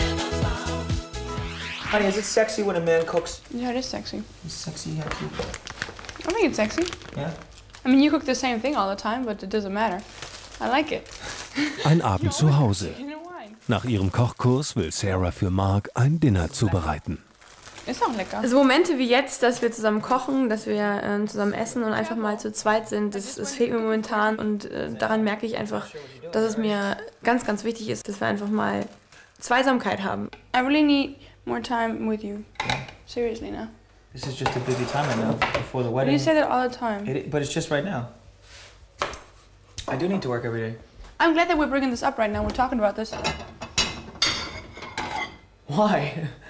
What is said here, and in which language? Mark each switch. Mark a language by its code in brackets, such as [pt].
[en] Honey, is it sexy when a man cooks? Yeah, it is sexy. It's sexy, actually. I think it's sexy. Yeah? I mean, you cook the same thing all the time, but it doesn't matter. I like it. [de] Ein Abend zu Hause. Nach ihrem Kochkurs will Sarah für Marc ein Dinner zubereiten. Ist auch lecker. Also Momente wie jetzt, dass wir zusammen kochen, dass wir zusammen essen und einfach mal zu zweit sind, das fehlt mir momentan. Und daran merke ich einfach, dass es mir ganz, ganz wichtig ist, dass wir einfach mal Zweisamkeit haben. [en] I really need more time with you. Yeah. Seriously, now. This is just a busy time right now before the wedding. You say that all the time. But it's just right now. I do need to work every day. I'm glad that we're bringing this up right now. We're talking about this. Why?